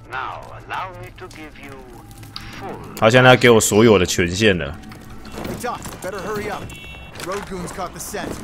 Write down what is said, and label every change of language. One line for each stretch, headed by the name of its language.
English: Now allow me to give you full.
Chinese: 他现在给我所有的权限了。
English: Hey, Josh, better hurry up. Road goons caught the scent.